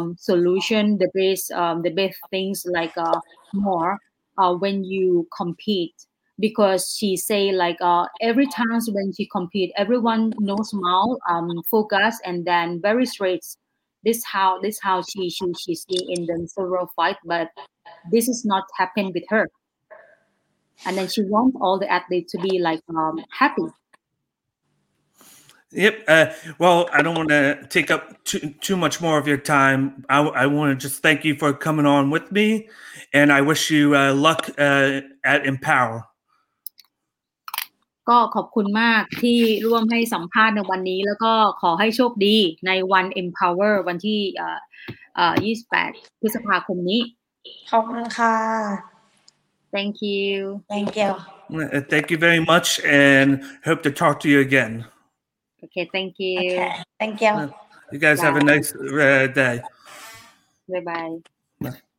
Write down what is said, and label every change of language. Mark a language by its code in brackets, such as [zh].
[en] solution the best things like more when you compete because she say like every time when she compete everyone no smile focus and then very straight this how she see in the several fight but this is not happen with her and then she want all the athletes to be like happy yep well I don't want to take up too much more of your time I want to just thank you for coming on with me and I wish you luck at Empower [th] ก็ขอบคุณมากที่ร่วมให้สัมภาษณ์ในวันนี้แล้วก็ขอให้โชคดีในวัน Empower วันที่28พฤษภาคมนี้ขอบคุณค่ะ [en] Thank you. Thank you very much and hope to talk to you again. Okay, thank you. Okay, thank you. You guys have a nice day. Bye-bye.